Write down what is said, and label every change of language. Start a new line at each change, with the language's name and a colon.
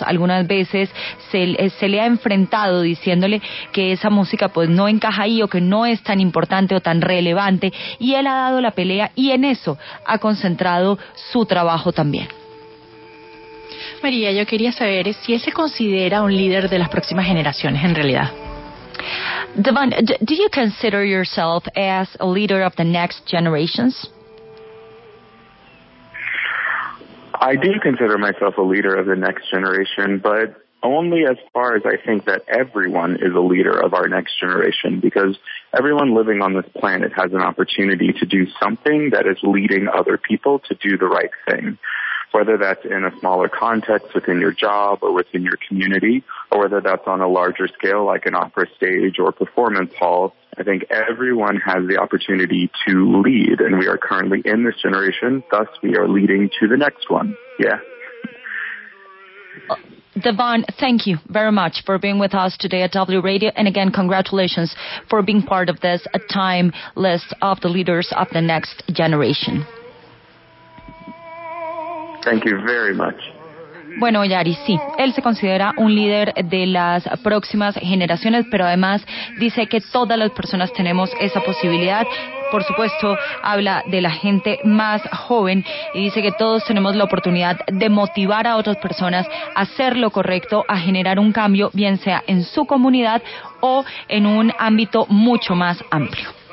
Spanish: Algunas veces se le ha enfrentado diciéndole que esa música pues no encaja ahí o que no es tan importante o tan relevante, y él ha dado la pelea y en eso ha concentrado su trabajo también. María, yo quería saber si él se considera un líder de las próximas generaciones en realidad.
English: Devon, do you consider yourself as a leader of the next generations? I do consider myself a leader of the next generation, but only as far as I think that everyone is a leader of our next generation, because everyone living on this planet has an opportunity to do something that is leading other people to do the right thing, whether that's in a smaller context within your job or within your community, or whether that's on a larger scale like an opera stage or performance hall. I think everyone has the opportunity to lead, and we are currently in this generation, thus we are leading to the next one. Yeah. Devon, thank you very much for being with us today at W Radio. And again, congratulations for being part of this time list of the leaders of the next generation. Thank you very much.
Spanish: Bueno, Yari, sí, él se considera un líder de las próximas generaciones, pero además dice que todas las personas tenemos esa posibilidad. Por supuesto, habla de la gente más joven y dice que todos tenemos la oportunidad de motivar a otras personas a hacer lo correcto, a generar un cambio, bien sea en su comunidad o en un ámbito mucho más amplio.